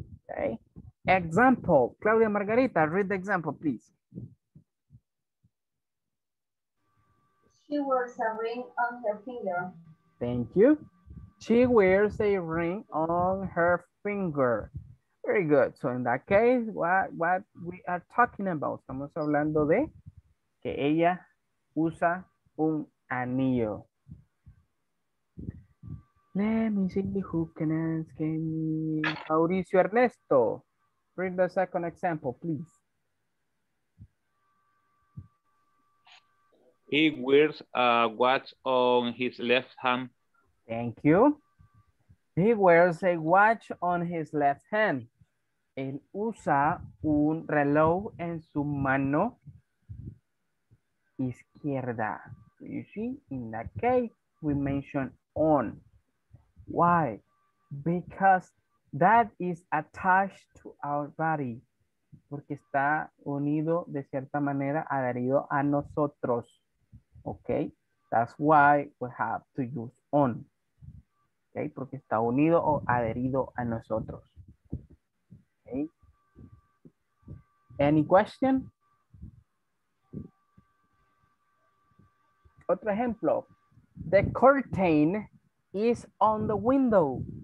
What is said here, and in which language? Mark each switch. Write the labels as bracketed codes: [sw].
[en] Okay? Example, Claudia Margarita, read the example, please. She wears a ring on her finger. Thank you. She wears a ring on her finger. Very good. So in that case, what we are talking about? [es] Estamos hablando de que ella usa un anillo. [en] Let me see who can ask me. Mauricio Ernesto, read the second example, please. Teacher, He wears a watch on his left hand. Thank you. He wears a watch on his left hand. [es] Él usa un reloj en su mano izquierda. [en] You see, in that case, we mention on. Why? Because that is attached to our body. [es] Porque está unido de cierta manera, adherido a nosotros. [en] Okay, that's why we have to use on. [es] Okay, porque está unido o adherido a nosotros. [en] Okay. Any question? [es] Otro ejemplo. [en] The curtain is on the window.